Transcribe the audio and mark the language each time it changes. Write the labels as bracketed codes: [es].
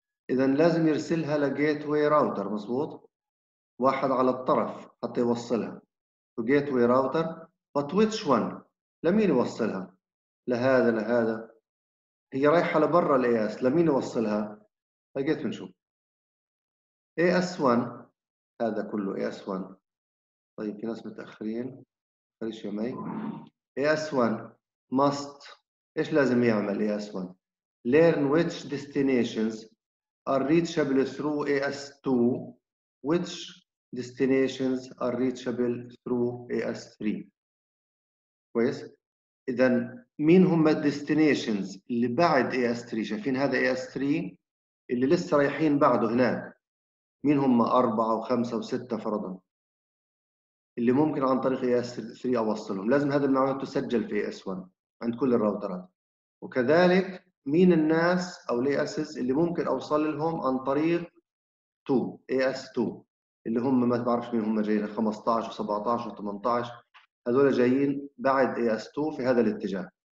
[ar] إذا لازم يرسلها لـ gateway router، مظبوط؟ واحد على الطرف حتى يوصلها [en] to gateway router. But which one؟ [ar] لمين يوصلها؟ لهذا لهذا؟ هي رايحة لبرا الـ AS، لمين يوصلها؟ لقيت منشوف AS1، هذا كله AS1 طيب في ناس متأخرين. فريش يا مي. [en] AS1 must [ar] إيش لازم يعمل AS1؟ [en] Learn which destinations are reachable through AS2, which destinations are reachable through AS3. [ar] كويس؟ إذا مين هم الـ destinations اللي بعد AS3؟ شايفين هذا AS3 اللي لسه رايحين بعده هناك، مين هم أربعة وخمسة وستة فرضا اللي ممكن عن طريق AS3 أوصلهم؟ لازم هذا المعلومات تسجل في AS1 عند كل الراوترات، وكذلك مين الناس أو الـ ASs اللي ممكن أوصل لهم عن طريق 2 AS2 اللي هم ما تعرفش مين هم جايين 15 و17 و18، هذول جايين بعد AS2 في هذا الاتجاه.